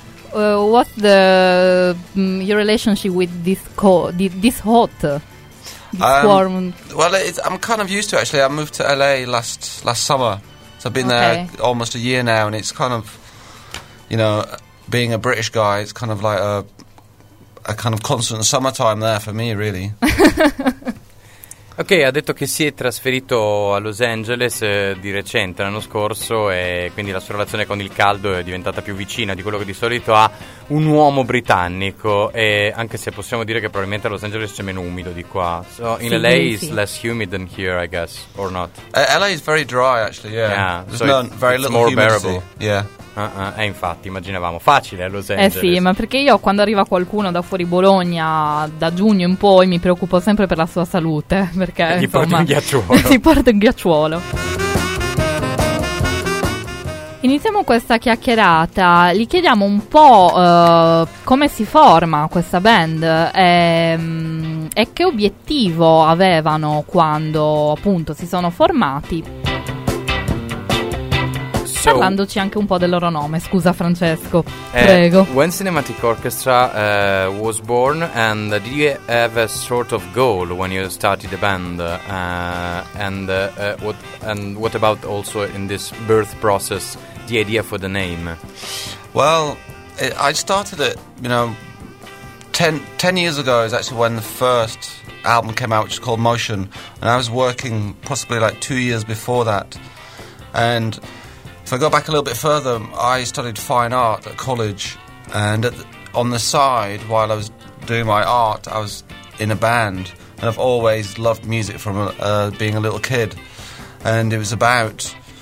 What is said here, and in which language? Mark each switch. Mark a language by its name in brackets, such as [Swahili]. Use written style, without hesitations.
[English] What's the your relationship with this cold, this hot, this warm? Well, I'm kind of used to it, actually. I moved to LA last summer, so I've been there almost a year now, and it's kind of, you know, being a British guy, it's kind of like a kind of constant summertime there for me, really. [Italian] Ok, ha detto che si è trasferito a Los Angeles di recente, l'anno scorso, e quindi la sua relazione con il caldo è diventata più vicina di quello che di solito ha un uomo britannico, e anche se possiamo dire che probabilmente a Los Angeles c'è meno umido di qua. [English] So in LA is less humid than here, I guess, or not? LA is very dry, actually, yeah. Yeah. There's so no, very little more humidity. Bearable. Yeah. [Italian] Infatti, immaginavamo. Facile a Los Angeles. Eh sì, ma perché io quando arriva qualcuno da fuori Bologna, da giugno in poi, mi preoccupo sempre per la sua salute. Perché, gli insomma, porti un ghiacciuolo. Ti porto un ghiacciuolo. Iniziamo questa chiacchierata. Gli chiediamo un po' come si forma questa band e che obiettivo avevano quando appunto si sono formati. [English] So, [Italian] parlandoci anche un po' del loro nome, scusa Francesco, prego. [English] When Cinematic Orchestra was born, and did you have a sort of goal when you started the band? What about also in this birth process, the idea for the name? Well, I started it, you know, 10 years ago is actually when the first album came out, which is called Motion, and I was working possibly like 2 years before that, and if I go back a little bit further, I studied fine art at college, and on the side, while I was doing my art, I was in a band, and I've always loved music from being a little kid, and it was about,